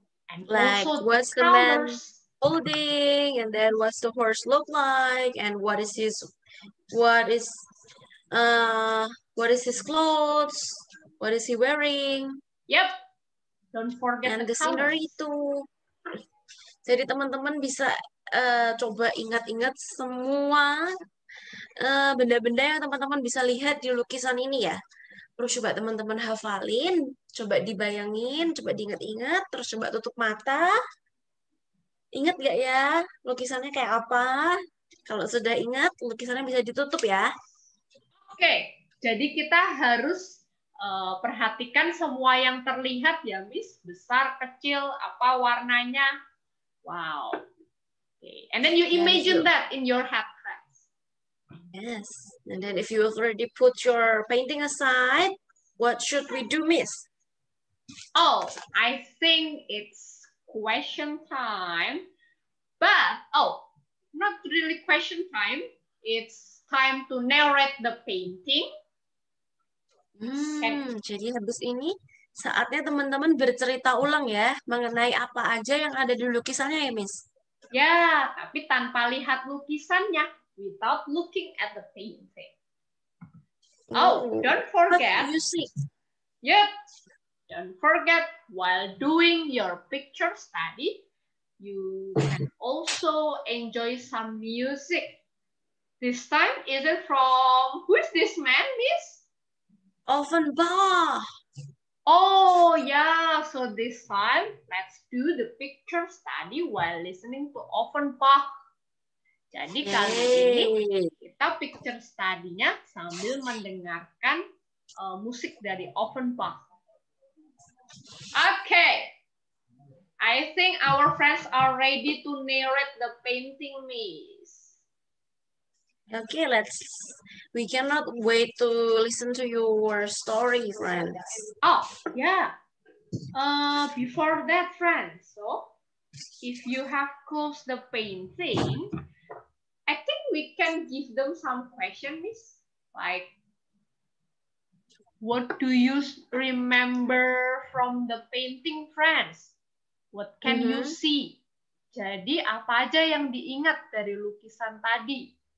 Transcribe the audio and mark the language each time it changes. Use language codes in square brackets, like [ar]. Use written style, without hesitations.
[en] And like, also what's the man holding, and then what's the horse look like, and what is his clothes, what is he wearing? Yep, don't forget. And the scenery too. [id] Jadi teman-teman bisa coba ingat-ingat semua benda-benda yang teman-teman bisa lihat di lukisan ini ya. Terus coba teman-teman hafalin, coba dibayangin, coba diingat-ingat, terus coba tutup mata. Ingat gak ya lukisannya kayak apa? Kalau sudah ingat, lukisannya bisa ditutup ya. Oke, jadi kita harus perhatikan semua yang terlihat ya, Miss. Besar, kecil, apa warnanya. Wow. [en] Okay. And then you imagine that in your head, friends. Yes. And then if you already put your painting aside, what should we do, Miss? Oh, I think it's question time, not really question time. It's time to narrate the painting. [id] Jadi habis ini saatnya teman-teman bercerita ulang ya mengenai apa aja yang ada di lukisannya ya, Miss. Ya, tapi tanpa lihat lukisannya, [en] without looking at the painting. Oh, don't What forget. you see? Yep, don't forget while doing your picture study, you can also enjoy some music. This time, is it from, who is this man, miss? Offenbach. Oh, yeah, so this time, let's do the picture study while listening to Offenbach. [id] Jadi kali ini kita picture study-nya sambil mendengarkan musik dari Offenbach. [en] Okay, I think our friends are ready to narrate the painting, Miss. Okay, we cannot wait to listen to your story, friends. Oh, yeah. Before that, friends, so if you have closed the painting, I think we can give them some questions, Miss. Like, what do you remember from the painting, friends? What can you see? [id] Jadi, apa aja yang diingat dari lukisan tadi?